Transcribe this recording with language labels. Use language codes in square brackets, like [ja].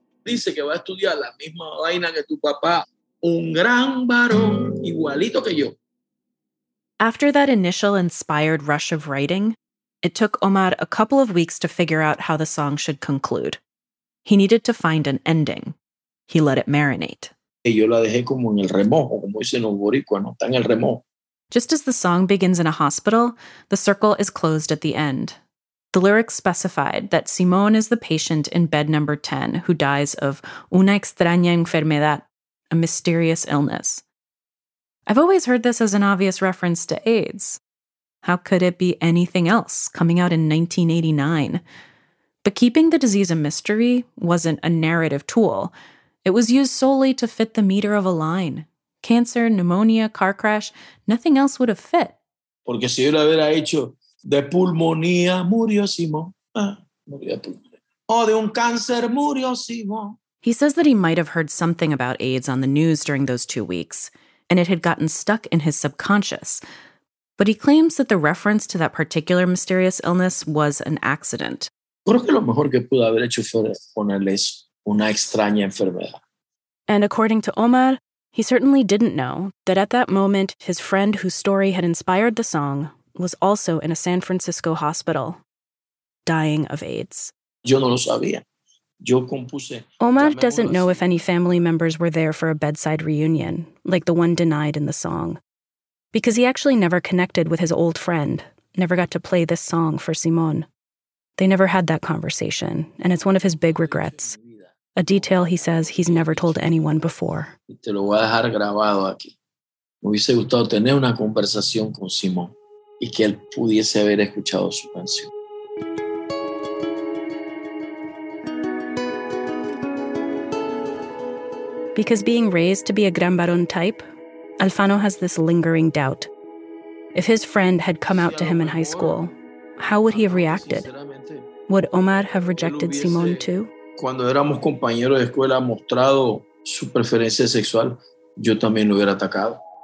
[es] Dice que va a estudiar la misma vaina que tu papá, un gran varón, igualito que yo. [en] After that initial inspired rush of writing, it took Omar a couple of weeks to figure out how the song should conclude. He needed to find an ending. He let it marinate. [es] Yo la dejé como en el remojo, como dicen los boricua, ¿no? Está en el remojo. [en] Just as the song begins in a hospital, the circle is closed at the end. The lyrics specified that Simón is the patient in bed number 10 who dies of [es] una extraña enfermedad, [en] a mysterious illness. I've always heard this as an obvious reference to AIDS. How could it be anything else, coming out in 1989? But keeping the disease a mystery wasn't a narrative tool. It was used solely to fit the meter of a line. Cancer, pneumonia, car crash, nothing else would have fit. [es] Porque si yo lo hubiera hecho de pulmonía, murió Simón. Ah, murió de pulmonía. Oh, de un cáncer, murió Simón. [en] He says that he might have heard something about AIDS on the news during those 2 weeks, and it had gotten stuck in his subconscious. But he claims that the reference to that particular mysterious illness was an accident. [es] Creo que lo mejor que pudo haber hecho fue ponerle una extraña enfermedad. [en] And according to Omar, he certainly didn't know that at that moment, his friend whose story had inspired the song was also in a San Francisco hospital, dying of AIDS. [es] Yo no lo sabía. Yo compuse. [en] Omar doesn't know if any family members were there for a bedside reunion, like the one denied in the song, because he actually never connected with his old friend, never got to play this song for Simón. They never had that conversation, and it's one of his big regrets. A detail he says he's never told anyone before. [es] Te lo voy a dejar grabado aquí. Me hubiese gustado tener una conversación con Simón y que él pudiese haber escuchado su canción. [en] Because being raised to be a Gran Varón type, Alfano has this lingering doubt. If his friend had come out to him in high school, how would he have reacted? Would Omar have rejected Simón too? [es] Cuando éramos compañeros de escuela, mostrado su preferencia sexual, yo también lo hubiera atacado.